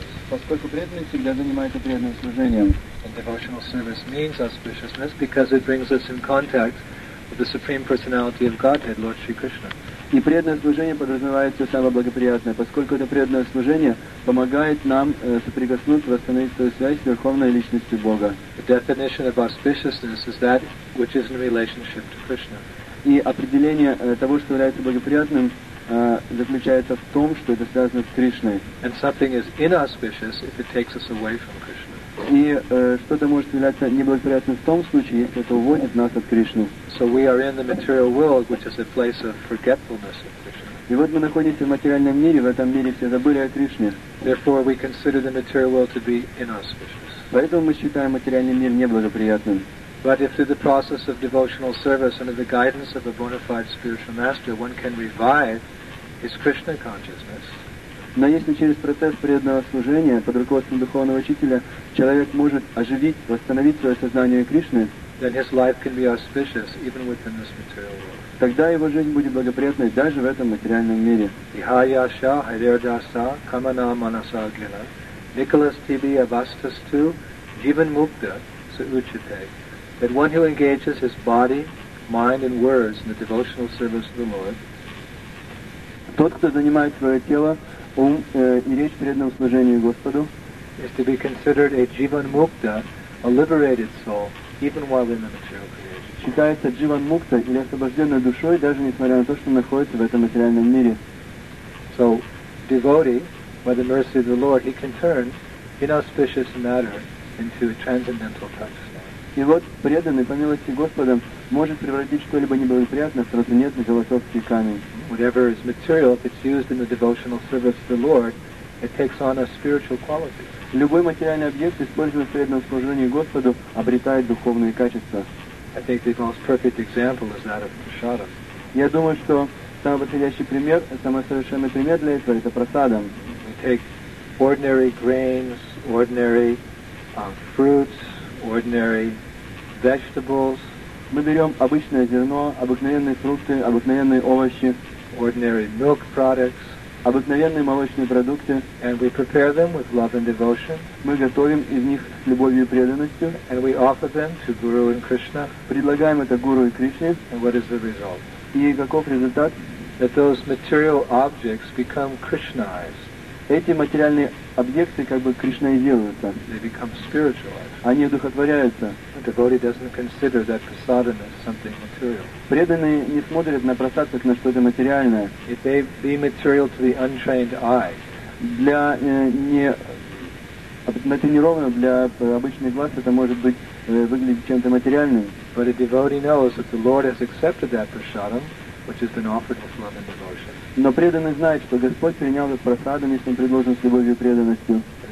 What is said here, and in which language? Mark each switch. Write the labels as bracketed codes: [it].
[ru] Поскольку преданность всегда занимается преданным служением. [en] And devotional service means auspiciousness because it brings us in contact with the Supreme Personality of Godhead, Lord Sri Krishna. [ru] И преданное служение подразумевает все самое благоприятное, поскольку это преданное служение помогает нам соприкоснуться, восстановить свою связь с Верховной Личностью Бога. [en] The definition of auspiciousness is that which is in relationship to Krishna. [ru] И определение того, что является благоприятным, заключается в том, что это связано с Кришной. [en] And something is inauspicious if it takes us away from Krishna. [ru] И что-то может являться неблагоприятным в том случае, если это уводит нас от Кришны. [en] So we are in the material world, which is a place of forgetfulness of Krishna. [ru] И вот мы находимся в материальном мире, в этом мире все забыли о Кришне. [en] Therefore we consider the material world to be inauspicious. [ru] Поэтому мы считаем материальный мир неблагоприятным. [en] But if through the process of devotional service under the guidance of a bona fide spiritual master one can revive his Krishna consciousness. [ru] Но если через процесс преданного служения под руководством духовного учителя человек может оживить, восстановить свое сознание Кришны, [en] then his life can be auspicious even within this material world. [ru] Тогда его жизнь будет благоприятной даже в этом материальном мире. Ихаяша хайдердаса камана манаса гина Николас тиби абастасту дживан мукта саучите. [en] That one who engages his body, mind and words in the devotional service of the Lord, [ru] тот, кто занимает свое тело, ум и речь преданного служения Господу, [en] is to be considered a jivan mukta, a liberated soul, even while in the material creation. [ru] Считается jivan mukta или освобожденной душой, даже несмотря на то, что находится в этом материальном мире. [en] So, devotee, by the mercy of the Lord, he can turn inauspicious matter into a transcendental consciousness. [ru] И вот преданный по милости Господа может превратить что-либо неблагоприятное в трансцендентный философский камень. [en] Whatever is material, if it's used in the devotional service of the Lord, it takes on a spiritual quality. [ru] Любой материальный объект, используемый в преданном служении Господу, обретает духовные качества. [en] I think the most perfect example is that of prasadam. [ru] Я думаю, что самый подходящий пример, самый совершенный пример для этого — это прасадам. [en] We take ordinary grains, ordinary fruits, ordinary vegetables. [ru] Мы берем обычное зерно, обыкновенные фрукты, обыкновенные овощи, [en] ordinary milk products, [ru] обыкновенные молочные продукты, [en] and we prepare them with love and devotion, [ru] мы готовим из них с любовью и преданностью, [en] and we offer them to Guru and Krishna, [ru] предлагаем это Гуру и Кришне, [en] and what is the result? [ru] И каков результат? [en] That those material objects become Krishnaized. [ru] Эти материальные объекты как бы кришнаизируются. [en] They become spiritualized. [ru] Они одухотворяются. [en] The devotee doesn't consider that prasadam as something material. [ru] Преданные не смотрят на прасад как на что-то материальное. [en] It may be material to the untrained eye. [ru] Для натренированного, для обычных глаз это может быть выглядеть чем-то материальным. [en] But a devotee knows that the Lord has accepted that prasadam, which has been offered with love and devotion. [ru] Но преданный знает, что Господь принял этот просаду, если он предложен с любовью и преданностью.